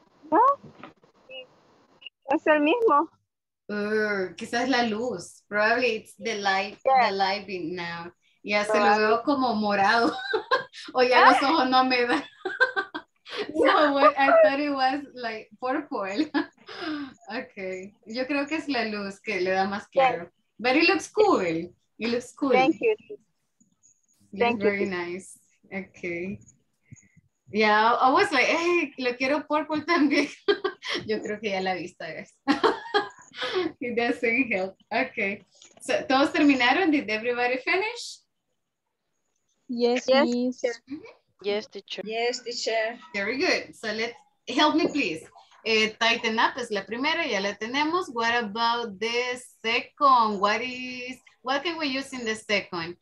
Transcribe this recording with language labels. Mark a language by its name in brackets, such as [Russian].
[Spanish] No. Es el mismo. [English] Quizás la luz. Probably it's the light. Yeah. The light in now. [Spanish] Ya se lo veo como morado. O ya los ojos no me dan. [English] So what, I thought it was like purple. Okay. [Spanish] Yo creo que es la luz que le da más claro. [English] Yeah. But it looks cool. It looks cool. Thank you. Thank very you. Very nice. Okay. Yeah, I was like, hey, lo quiero purple también. [Spanish] Yo creo que ya la vista es. It doesn't help. Okay. [English] So, ¿todos terminaron? Did everybody finish? Yes, yes, teacher. Yes, teacher. Very good. So let's help me, please. [Spanish] Tighten up es la primera, ya la tenemos. [English] What about the second? What is, what can we use in the second?